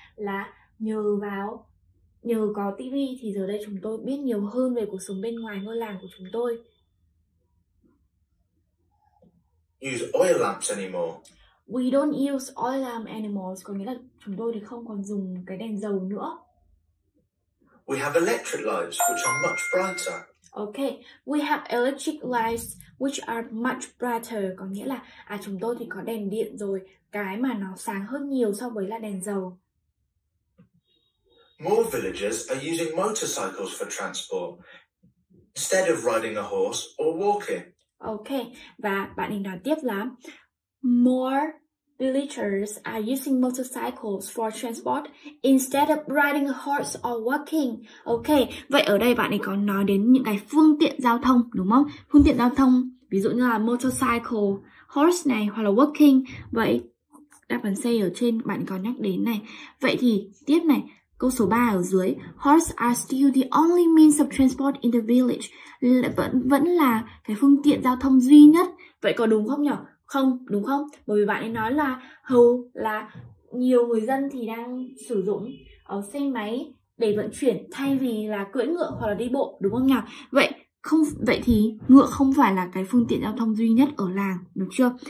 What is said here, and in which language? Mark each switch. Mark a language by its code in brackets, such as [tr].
[vi] Là nhờ có TV thì giờ đây chúng tôi biết nhiều hơn về cuộc sống bên ngoài ngôi làng của chúng tôi. [en] Use oil lamps anymore. We don't use oil lamp anymore. [vi] Có nghĩa là chúng tôi thì không còn dùng cái đèn dầu nữa. [en] We have electric lights which are much brighter. Okay, we have electric lights which are much brighter. [vi] Có nghĩa là chúng tôi thì có đèn điện rồi, cái mà nó sáng hơn nhiều so với là đèn dầu. [en] More villagers are using motorcycles for transport instead of riding a horse or walking. [vi] Okay, và bạn ấy nói tiếp là [en] more villagers are using motorcycles for transport instead of riding a horse or walking. [vi] Ok, vậy ở đây bạn ấy có nói đến những cái phương tiện giao thông, đúng không? Phương tiện giao thông, ví dụ như là motorcycle, horse này, hoặc là walking. Vậy đáp án C ở trên bạn có nhắc đến này. Vậy thì tiếp này, câu số 3 ở dưới. [en] Horse are still the only means of transport in the village. [vi] Vẫn là cái phương tiện giao thông duy nhất. Vậy có đúng không nhỉ? Không, đúng không? Bởi vì bạn ấy nói là hầu là nhiều người dân thì đang sử dụng xe máy để vận chuyển thay vì là cưỡi ngựa hoặc là đi bộ, đúng không nào? Vậy thì ngựa không phải là cái phương tiện giao thông duy nhất ở làng, đúng chưa?